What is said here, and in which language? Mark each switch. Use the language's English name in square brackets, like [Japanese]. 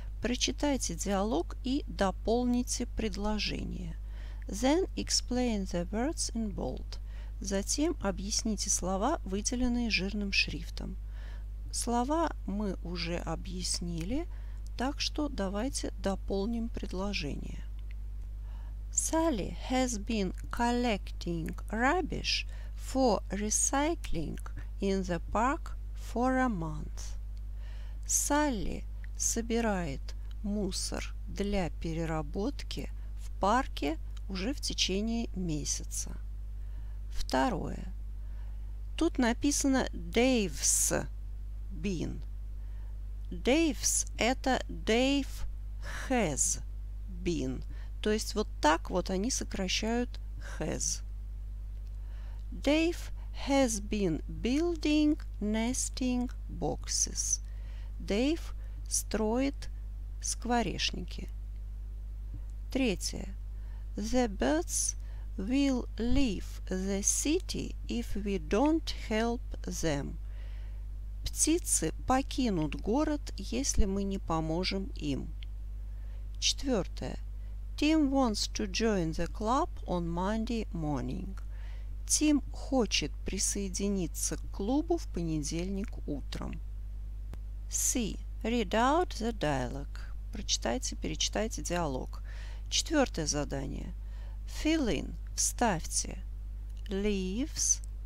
[Russian] Прочитайте диалог и дополните предложение. [English] Then explain the words in bold. [Russian] Затем объясните слова, выделенные жирным шрифтом. Слова мы уже объяснили, так что давайте дополним предложение. [English] Sally has been collecting rubbish for recycling in the park for a month. [Russian] Sally собирает мусор для переработки в парке уже в течение месяца. Второе. Тут написано Dave's. Been. [English] Dave's – это Dave has been. [Russian] То есть вот так вот они сокращают has. [English] Dave has been building nesting boxes. [Russian] Dave строит скворечники. Третье. [English] The birds will leave the city if we don't help them. [Russian] Птицы покинут город, если мы не поможем им. Четвертое. [English] Tim wants to join the club on Monday morning. [Russian] Тим хочет присоединиться к клубу в понедельник утром. [English] C. Read out the dialogue. [Russian] Прочитайте, перечитайте диалог. Четвертое задание. [English] Fill in. [Russian] Вставьте. Leaves.